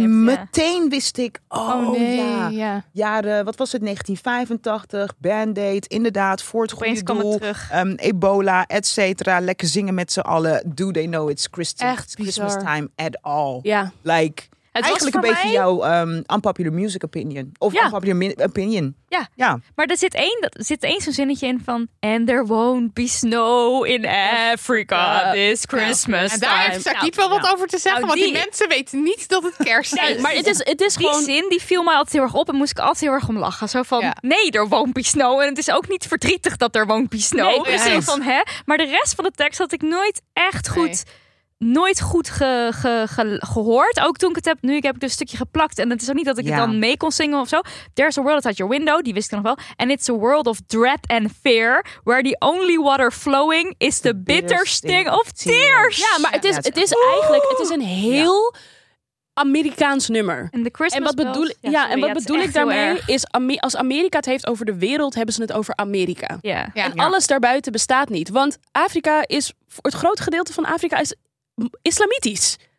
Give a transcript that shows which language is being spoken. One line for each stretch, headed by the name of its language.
Dutch: en meteen wist ik, wat was het, 1985, Band-Aid, inderdaad, voor het goede doel, Ebola, et cetera, lekker zingen met z'n allen,
English: do they know it's Christmas time at all.
Dutch: Ja. Like, het eigenlijk een beetje jouw unpopular music opinion. Of unpopular opinion. Ja. Ja. Maar er zit één zo'n zinnetje in van...
English: And there won't be snow in Africa this Christmas time.
Dutch: En daar heeft Sakiet wel wat over te zeggen. Nou, want die mensen weten niet dat het kerst is. Nee, maar het is gewoon... Die zin die viel mij altijd heel erg op. En moest ik altijd heel erg om lachen. Zo van, nee,
English: there won't be snow.
Dutch: En het is ook niet verdrietig dat
English: there won't be snow.
Dutch: Nee, precies. Van, hè? Maar de rest van de tekst had ik nooit echt goed... Nooit goed gehoord. Ook toen ik het heb. Nu heb ik dus een stukje geplakt. En het is ook niet dat ik het dan mee kon zingen of zo.
English: There's a world outside your window.
Dutch: Die wist ik nog wel.
English: And it's a world of dread and fear. Where the only water flowing is the bitter sting of tears.
Dutch: Ja, maar het is eigenlijk... Het is een heel Amerikaans nummer. En de Christmas en wat bedoel,
English: bells.
Dutch: Ja, sorry, en wat bedoel ik daarmee is... Als Amerika het heeft over de wereld, hebben ze het over Amerika.
English: Yeah.
Dutch: En alles daarbuiten bestaat niet. Want Afrika is... Het grote gedeelte van Afrika is... islamitisch.